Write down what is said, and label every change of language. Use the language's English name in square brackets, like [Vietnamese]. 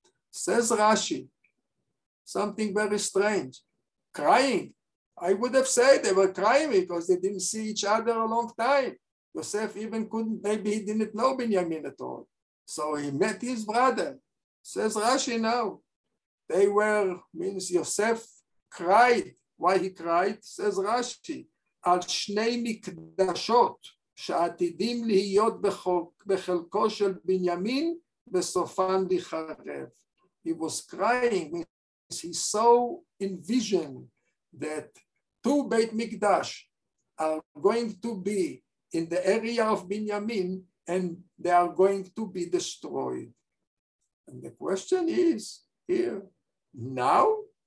[English] Says Rashi, something very strange. Crying. I would have said they were crying because they didn't see each other a long time. Yosef even couldn't, maybe he didn't know Benjamin at all. So he met his brother. Says Rashi now, they were, means Yosef cried. Why he cried? Says Rashi, [Hebrew] על שני מקדשות שעתידים להיות בחלקו של בנימין וסופן לחרב. [English] He was crying, means he saw in vision that two Beit Mikdash are going to be in the area of Benjamin and they are going to be destroyed. And the question is here, now?